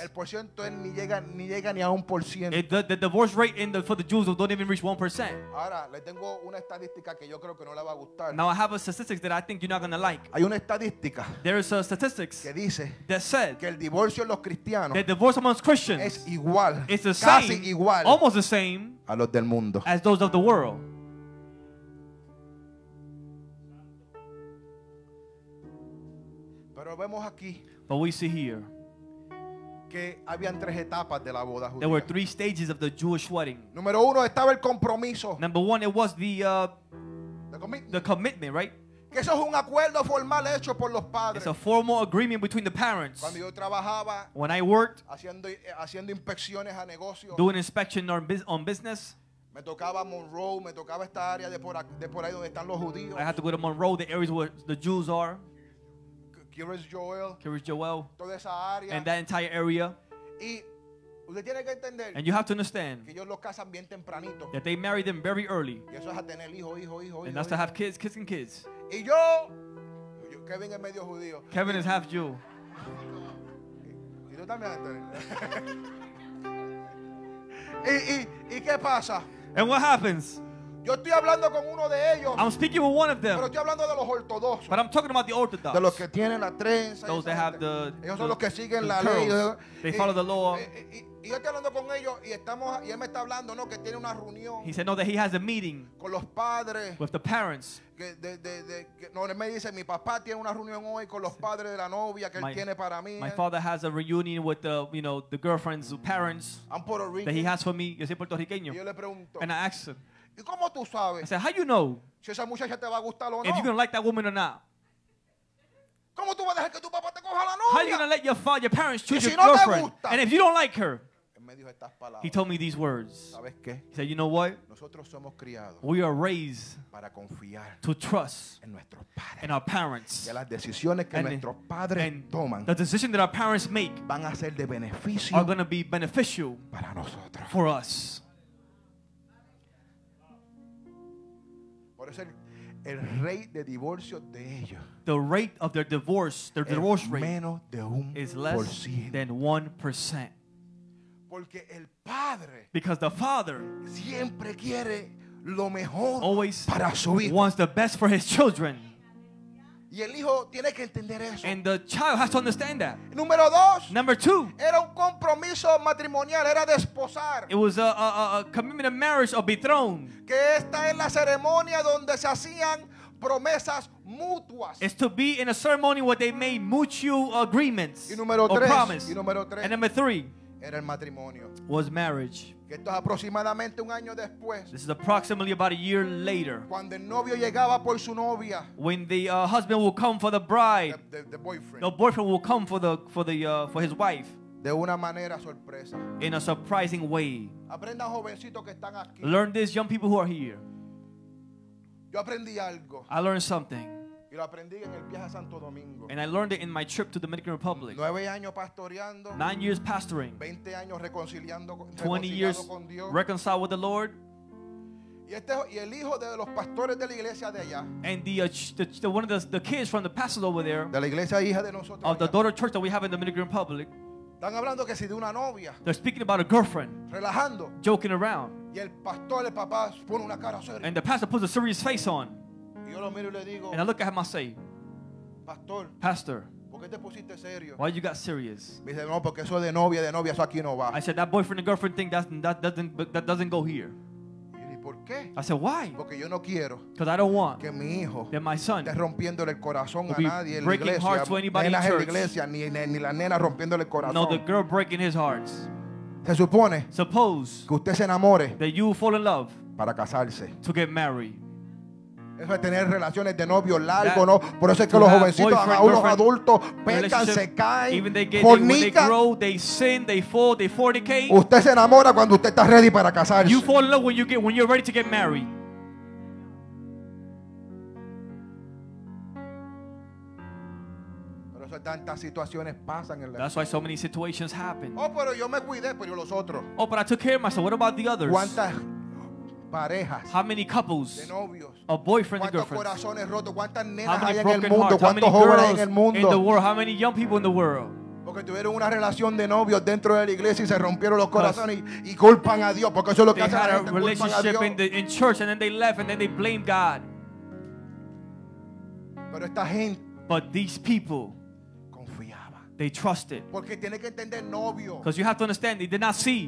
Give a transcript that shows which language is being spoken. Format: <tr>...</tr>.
<es>El porciento ni llega ni a un porciento.</es> <en>The divorce rate for the Jews don't even reach 1%.</en> <es>Ahora le tengo una estadística que yo creo que no le va a gustar.</es> <en>Now I have a statistic that I think you're not going to like.</en> <es>Hay una estadística.</es> <en>There is a statistics</en> <es>que dice</es> <en>that said</en> <es>que el divorcio en los cristianos</es> <en>the divorce amongst Christians</en> <es>es igual,</es> <en>it's the</en> <es>casi</es> <en>same,</en> <es>igual,</es> <en>almost the same</en> <es>a los del mundo.</es> <en>As those of the world.</en> <es>Pero vemos aquí,</es> <en>but we see here</en> <es>que habían tres etapas de la boda judía.</es> <en>There were three stages of the Jewish wedding.</en> <es>Número uno, estaba el compromiso.</es> <en>Number one, it was the commitment, right?</en> <es>Que eso es un acuerdo formal hecho por los padres.</es> <en>It's a formal agreement between the parents.</en> <es>Cuando yo trabajaba,</es> <en>when I worked,</en> <es>haciendo inspecciones a negocios,</es> <en>doing inspection on business,</en> <es>me tocaba Monroe, me tocaba esta área de por ahí donde están los judíos.</es> <en>I had to go to Monroe, the areas where the Jews are.</en> <es>Kiris Joel, toda esa área,</es> <en>and that entire area.</en> <es>Y usted tiene que entender,</es> <en>and you have to understand,</en> <es>que ellos los casan bien tempranito,</es> <en>that they marry them very early.</en> <es>Y eso es a tener hijo,</es> <en>and that's to have kids and kids.</en> <es>Y yo, Kevin es medio judío.</es> <en>Kevin is half Jew.</en> <es>Y yo también. ¿Y qué pasa?</es> <en>And what happens?</en> <es>Yo estoy hablando con uno de ellos.</es> <en>I'm speaking with one of them.</en> <es>Pero estoy hablando de los ortodoxos.</es> <en>But I'm talking about the Orthodox.</en> <es>De los que tienen la trenza.</es> <en>Those that have the.</en> <es>Ellos son los que siguen la ley.</es> <en>They follow the law.</en> <es>Y yo estoy hablando con ellos y estamos y él me está hablando, no, que tiene una reunión.</es> <en>He said no, that he has a meeting.</en> <es>Con los padres.</es> <en>With the parents.</en> <es>No, él me dice, mi papá tiene una reunión hoy con los padres de la novia que él tiene para mí.</es> <en>My father has a reunion with the, you know, the girlfriend's parents. I'm Puerto Rican. That he has for me.</en> <es>Yo soy puertorriqueño. Y yo le pregunto.</es> <en>And I ask him.</en> <es>¿Y cómo tú sabes?</es> <en>I said, how you know?</en> <es>Si esa muchacha te va a gustar o no.</es> <en>If you're going to like that woman or not.</en> <es>¿Cómo tú vas a dejar que tu papá te coja la novia?</es> <en>How are you going to let your parents choose</en> <es>si</es> <en>your girlfriend?</en> <es>No te gusta.</es> <en>And if you don't like her.</en> <es>En medio de estas palabras,</es> <en>he told me these words.</en> <es>¿Sabes qué?</es> <en>He said, you know what?</en> <es>Nosotros somos criados.</es> <en>We are raised</en> <es>para confiar</es> <en>to trust</en> <es>en nuestros padres.</es> <en>In our parents.</en> <es>Y las decisiones que nuestros padres toman,</es> <en>the decision that our parents make,</en> <es>van a ser de beneficio,</es> <en>are going to be beneficial</en> <es>para nosotros.</es> <en>For us.</en> <es>Por eso el rate de divorcio de ellos,</es> <en>the rate of their divorce, their divorce rate,</en> <es>menos de un</es> <en>is less</en> <es>por ciento</es> <en>than 1%.</en> <es>Porque el padre,</es> <en>because the father,</en> <es>siempre quiere lo mejor,</es> <en>always</en> <es>para su hijo,</es> <en>wants the best for his children.</en> <es>Y el hijo tiene que entender eso.</es> <en>And the child has to understand that.</en> <es>Número dos.</es> <en>Number two.</en> <es>Era un compromiso matrimonial, era de esposar.</es> <en>It was a commitment of marriage, of betrothed.</en> <es>Que esta es la ceremonia donde se hacían promesas mutuas.</es> <en>It's to be in a ceremony where they made mutual agreements.</en> <es>Y número</es> <en>or</en> <es>tres.</es> <en>Promise.</en> <es>Y número tres.</es> <en>And number three.</en> <es>Era el matrimonio.</es> <en>Was marriage.</en> <es>Esto es aproximadamente un año después.</es> <en>This is approximately about a year later.</en> <es>Cuando el novio llegaba por su novia.</es> <en>When the husband will come for the bride. The boyfriend. The boyfriend will come for his wife.</en> <es>De una manera sorpresa.</es> <en>In a surprising way.</en> <es>Aprendan jovencitos que están aquí.</es> <en>Learn this, young people who are here.</en> <es>Yo aprendí algo.</es> <en>I learned something.</en> <es>Y lo aprendí en el viaje a Santo Domingo.</es> <en>And I learned it in my trip to the Dominican Republic.</en> <es>9 años pastoreando.</es> <en>9 years pastoring.</en> <es>20 años reconciliando con Dios.</es> <en>20 years reconciled with the Lord.</en> <es>Y el hijo de los pastores de la iglesia de allá.</es> <en>And the one of the kids from the pastors over there.</en> <es>De la iglesia hija de nosotros.</es> <en>Of the daughter church that we have in the Dominican Republic.</en> <es>Están hablando que si de una novia.</es> <en>They're speaking about a girlfriend.</en> <es>Relajando.</es> <en>Joking around.</en> <es>Y el pastor, el papá, pone una cara seria.</es> <en>And the pastor puts a serious face on. And I look at him and I say,</en> <es>Pastor,</es> <en>Pastor,</en> <es>¿por qué te pusiste serio?</es> <en>Why you got serious?</en> <es>Me dice, no, porque eso de novia, eso aquí no va.</es> <en>I said, that boyfriend and girlfriend thing, that doesn't go here.</en> <es>¿Por qué?</es> <en>I said, why?</en> <es>Porque yo no quiero,</es> <en>because I don't want</en> <es>que mi hijo,</es> <en>that my son,</en> <es>esté rompiéndole el corazón a nadie,</es> <en>breaking</en> <es>iglesia,</es> <en>hearts to anybody</en> <es>nenas</es> <en>in church.</en> <es>En la iglesia, ni la nena rompiéndole el corazón.</es> <en>No, the girl breaking his heart.</en> <es>Se supone,</es> <en>suppose</en> <es>que usted se enamore,</es> <en>that you fall in love,</en> <es>para casarse,</es> <en>to get married.</en> <es>Eso es tener relaciones de novio largo, ¿no? Por eso es que los jovencitos, a unos adultos, pecan, se caen,</es> <en>fornican.</en> <es>Usted se enamora cuando usted está ready para casarse.</es> <en>You fall in love when you're ready to get married.</en> <es>Pero eso, tantas situaciones pasan en la vida.</es> <en>That's why so many situations happen.</en> <es>Oh, pero yo me cuidé, pero los otros.</es> <en>Oh, but I took care of myself. What about the others?</en> <es>¿Cuántas parejas?</es> <en>How many couples?</en> <es>De novios.</es> <en>A boyfriend and girlfriend.</en> <es>¿Cuántos corazones rotos? ¿Cuántas nenas hay en el mundo? ¿Cuántos jóvenes en el mundo?</es> <en>In the world, how many young people in the world?</en> <es>Porque tuvieron una relación de novios dentro de la iglesia y se rompieron los corazones y culpan a Dios, porque eso es lo que hacen.</es> <en>They had a relationship in church and then they left and then they blame God.</en> <es>Pero esta gente,</es> <en>but these people,</en> <es>confiaba.</es> <en>They trusted.</en> <es>Porque tiene que entender, no vio.</es> <en>Because you have to understand, they did not see.</en>